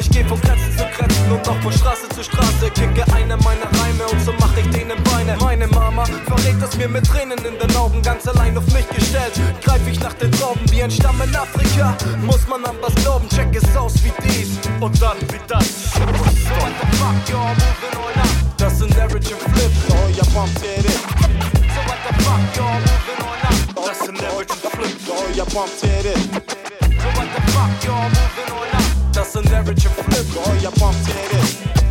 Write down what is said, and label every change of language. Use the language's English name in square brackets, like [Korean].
[German] Ich geh von Grenzen zu Grenzen und auch von Straße zu Straße. Kicke eine meiner Reime und so mach ich denen Beine. Meine Mama verrät das mir mit Tränen in den Augen. Ganz allein auf mich gestellt, greif ich nach den Trauben. Wie ein Stamm in Afrika, muss man an was glauben. Check es aus wie dies und dann wie das. [English] What the fuck, yo, moving on up. [German] Das sind Average und Flip, oh ja, [English] bump it in. So what the fuck, yo, moving on up. [German] Das sind Average und Flip, oh ja, [English] bump it in. So what the fuck, yo, moving on up. [German] Das sind Average und Flip, oh ja, [English] bump it in.